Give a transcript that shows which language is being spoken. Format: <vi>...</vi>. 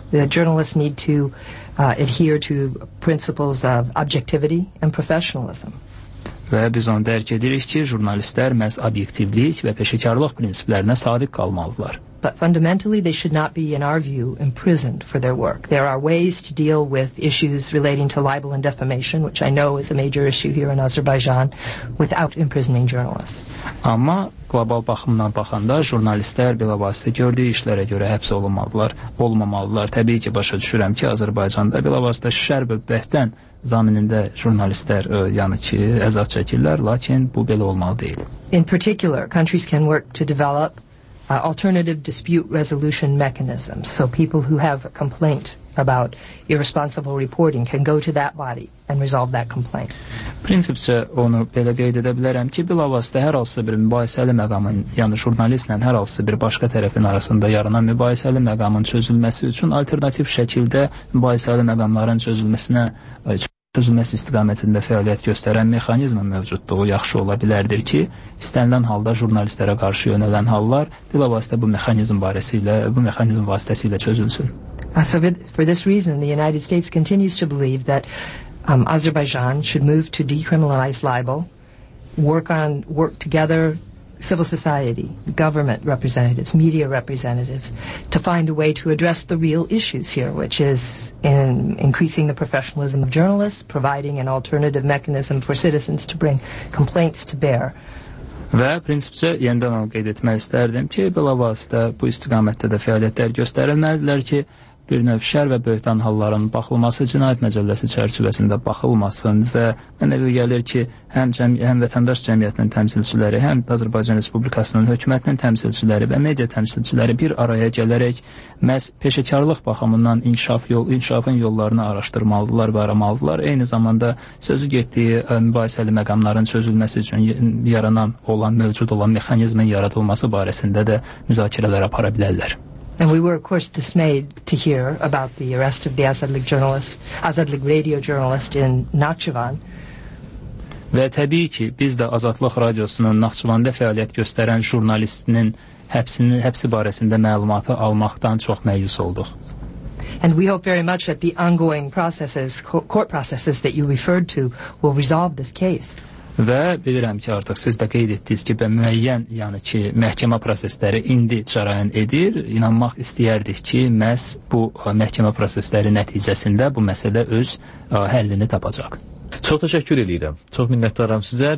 <en>The journalists need to adhere to principles of objectivity and professionalism.</en> <az>Və biz onu dərk edirik ki, jurnalistlər məhz obyektivlik və peşəkarlıq prinsiplərinə sadiq qalmalıdırlar.</az> <en>But fundamentally, they should not be, in our view, imprisoned for their work. There are ways to deal with issues relating to libel and defamation, which I know is a major issue here in Azerbaijan, without imprisoning journalists.</en> <az>Amma qlobal baxımdan baxanda jurnalistlər bilavasitə gördüyü işlərə görə həbs olunmalıdırlar, olmamalıdırlar. Təbii ki, başa düşürəm ki, Azərbaycanda bilavasitə şər və bəhtən zaminində jurnalistlər yəni ki, əzab çəkirlər, lakin bu belə olmalı deyil.</az> <en>In particular, countries can work to develop alternative dispute resolution mechanisms, so people who have a complaint about irresponsible reporting can go to that body and resolve that complaint.</en> <az>Prinsipcə onu belə qeyd edə bilərəm ki, bilavasitə hər hansı bir mübahisəli məqamın, yəni jurnalistlə hər hansı bir başqa tərəfin arasında yaranan mübahisəli məqamın çözülməsi üçün alternativ şəkildə mübahisəli məqamların çözülməsi istiqamətində fəaliyyət göstərən mexanizmin mövcudluğu yaxşı ola bilərdir ki, istənilən halda jurnalistlərə qarşı yönələn hallar bilavasitə bu mexanizm vasitəsilə çözülsün.</az> <en>So for this reason, the United States continues to believe that Azerbaijan should move to decriminalize libel, work together civil society, government representatives, media representatives, to find a way to address the real issues here, which is in increasing the professionalism of journalists, providing an alternative mechanism for citizens to bring complaints to bear.</en> <az>Və prinsipcə yenidən onu qeyd etmək istərdim ki, bilavasitə bu istiqamətdə də fəaliyyətlər göstərilməlidirlər ki, bir növ şər və böhtan halların baxılması cinayət məcəlləsi çərçivəsində baxılmasın və mənə elə gəlir ki, həm vətəndaş cəmiyyətinin təmsilçiləri, həm Azərbaycan Respublikasının hökumətinin təmsilçiləri və media təmsilçiləri bir araya gələrək məhz peşəkarlıq baxımından inkişafın yollarını araşdırmalıdırlar və aramalıdırlar. Eyni zamanda sözü getdiyi mübahisəli məqamların çözülməsi üçün mövcud olan mexanizmin yaradılması barəsində də müzakirələr apara bilərlər.</az> <en>And we were, of course, dismayed to hear about the arrest of the Azadlıq radio journalist in Naxçıvan.</en> <az>Və təbii ki, biz də Azadlıq radiosunun Naxçıvanda fəaliyyət göstərən jurnalistinin həbsi barəsində məlumatı almaqdan çox məyus olduq.</az> <en>And we hope very much that the ongoing processes, court processes that you referred to, will resolve this case.</en> <az>Və bilirəm ki, artıq siz də qeyd etdiniz ki, müəyyən, yəni ki, məhkəmə prosesləri indi cərəyan edir. İnanmaq istəyərdik ki, məhz bu məhkəmə prosesləri nəticəsində bu məsələ öz həllini tapacaq. Çox təşəkkür edirəm. Çox minnətdaram sizə.</az>